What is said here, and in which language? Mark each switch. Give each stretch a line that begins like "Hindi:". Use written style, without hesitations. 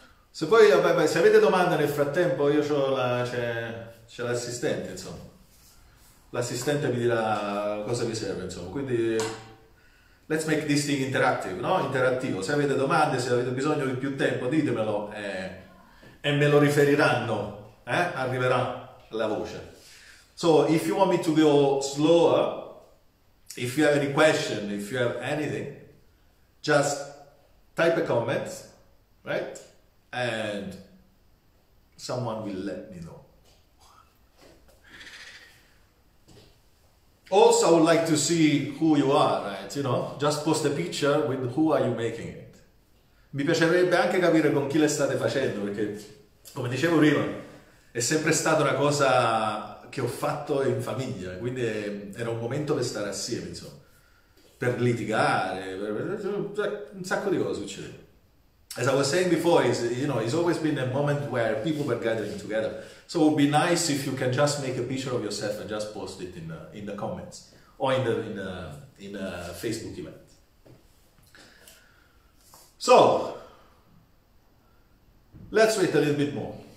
Italian: Se poi, vabbè, se avete domande nel frattempo, io c'è l'assistente, insomma. L'assistente vi dirà cosa vi serve, insomma. Quindi,
English: let's make this thing interactive,
Italian: no? Interattivo. Se avete domande, se avete bisogno di più tempo, ditemelo e me lo riferiranno, eh? Arriverà la voce.
English: So, if you want me to go slower, if you have any question, if you have anything, just type a comment, right? And someone will let me know. Also, I would like to see who you are, right? You know, just post a picture with who are you making it.
Italian: Mi piacerebbe anche capire con chi le state facendo, perché, come dicevo prima, è sempre stata una cosa che ho fatto in famiglia, quindi era un momento per stare assieme, insomma, per litigare, un sacco di cose succedono.
English: As I was saying before, you know, it's always been a moment where people were gathering together. So it would be nice if you can just make a picture of yourself and just post it in the comments or in a Facebook event. So let's wait a little bit more.